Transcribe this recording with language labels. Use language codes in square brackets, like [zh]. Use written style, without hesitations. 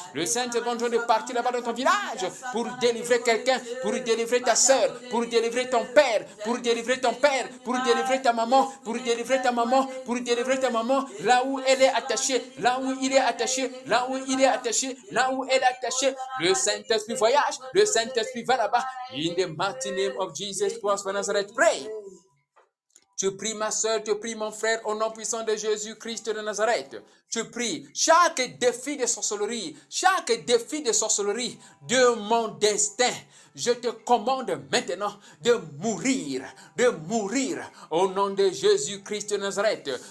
[fr] Le Saint-Esprit est en train de partir là-bas dans ton village pour délivrer quelqu'un, pour délivrer ta soeur, pour délivrer ton père, pour délivrer ton père, pour délivrer ta maman, pour délivrer ta maman, pour délivrer ta maman, là où elle est attachée, là où il est attaché, là où il est attaché, là où elle est attachée. Le Saint-Esprit voyage, le Saint-Esprit va là-bas. [en] In the mighty name of Jesus Christ of Nazareth, pray. [fr] Tu pries ma soeur, tu pries mon frère, au nom puissant de Jésus Christ de Nazareth. Tu pries chaque défi de sorcellerie, chaque défi de sorcellerie de mon destin. Je te commande maintenant de mourir, au nom de Jésus-Christ de Nazareth.